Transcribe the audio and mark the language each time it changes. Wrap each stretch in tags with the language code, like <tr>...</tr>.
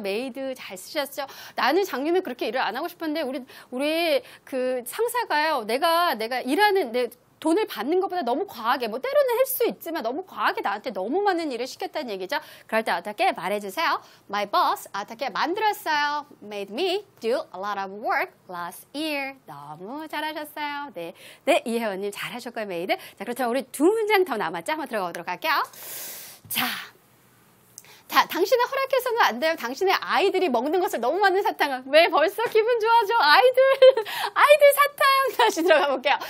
<ko>메이드, 잘 쓰셨죠? 나는 작년에 그렇게 일을 안 하고 싶었는데, 우리 그 상사가요, 내가 일하는, 내 돈을 받는 것보다 너무 과하게, 뭐 때로는 할 수 있지만 너무 과하게 나한테 너무 많은 일을 시켰다는 얘기죠. 그럴 때 어떻게 말해주세요.</ko> <en>My boss</en> <ko>어떻게 만들었어요.</ko> <en>Made me do a lot of work last year.</en> <ko>너무 잘하셨어요. 네, 네 이혜원님 잘하실 거예요, 메이드. 자, 그렇다면 우리 두 문장 더 남았죠. 한번 들어가보도록 할게요. 자, 당신의 허락해서는 안 돼요. 당신의 아이들이 먹는 것을 너무 많은 사탕을. 왜 벌써 기분 좋아져? 아이들 사탕. 다시 들어가 볼게요.</ko>